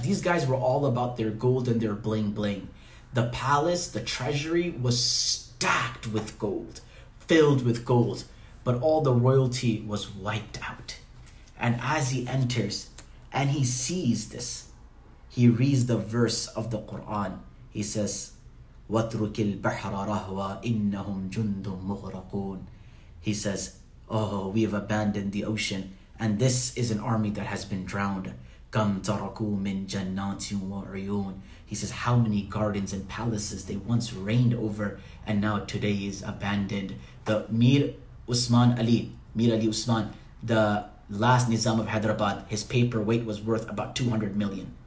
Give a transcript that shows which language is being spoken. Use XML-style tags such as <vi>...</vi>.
<en>These guys were all about their gold and their bling bling. The palace, the treasury was stacked with gold, filled with gold, but all the royalty was wiped out. And as he enters and he sees this, he reads the verse of the Quran. He says,</en> <ar>وَاتْرُكِ الْبَحْرَ رَهْوَا إِنَّهُمْ جُنْدٌ مُغْرَقُونَ.</ar> <en>He says, oh, we have abandoned the ocean, and this is an army that has been drowned.</en> <ar>كَمْ تَرَكُوا مِنْ جَنَّاتٍ وَعِيُونَ.</ar> <en>He says, how many gardens and palaces they once reigned over, and now today is abandoned. The Mir Ali Usman, the last Nizam of Hyderabad, his paperweight was worth about 200 million.</en>